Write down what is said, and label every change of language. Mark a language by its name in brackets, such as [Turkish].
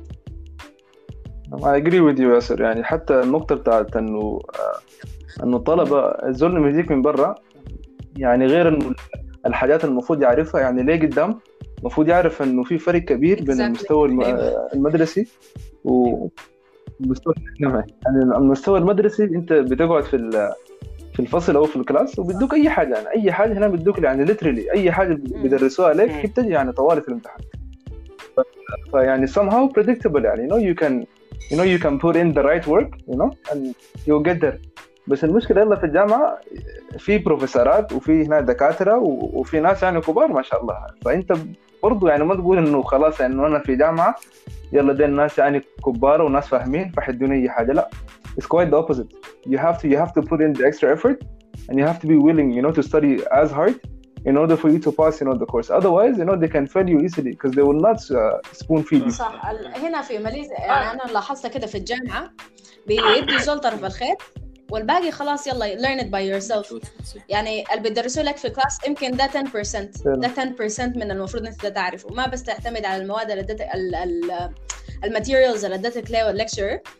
[Arabic] واحده من الجوانب اللازم الطالب ياخذ فيها الاعتبار. شيء انا اجري وديو ياسر، يعني حتى النقطه بتاعت انه طلبه الزول مديك من برا، يعني غير انه الحاجات المفروض يعرفها، يعني ليه قدام المفروض يعرف انه في فرق كبير بين المستوى المدرسي ومستوى الجامعي. يعني المستوى المدرسي انت بتقعد في الفصل او في الكلاس وبيدوك اي حاجه، يعني اي حاجه هنا بيدوك، يعني ليترلي اي حاجه بيدرسوها لك بتجي يعني طوال في الامتحان. فيعني [English] somehow predictable، [Arabic] يعني [English] you know you can put in the right work you know and you'll get there. [Arabic] بس المشكله يلا في الجامعه في بروفيسورات وفي هنا دكاتره وفي ناس يعني كبار ما شاء الله، فانت برضو يعني ما تقول انه خلاص انه انا في جامعه يلا دي الناس يعني كبار وناس فاهمين فحدوني اي حاجه. [English] لا، it's quite the opposite. You have to put in the extra effort and you have to be willing, you know, to study as hard in order for you to pass, you know, the course. Otherwise, you know, they can fail you easily because they will not spoon feed you. [Arabic] صح. هنا في ماليزيا انا لاحظت كده في الجامعه بيدي زول طرف الخيط والباقي خلاص يلا [English] learn it by yourself. [Arabic] يعني اللي بيدرسوا لك في كلاس يمكن ده 10%، ده 10% من المفروض انت تعرفه، ما بس تعتمد على المواد اللي ادتك الماتيريالز اللي ادتك ليه والليكشر.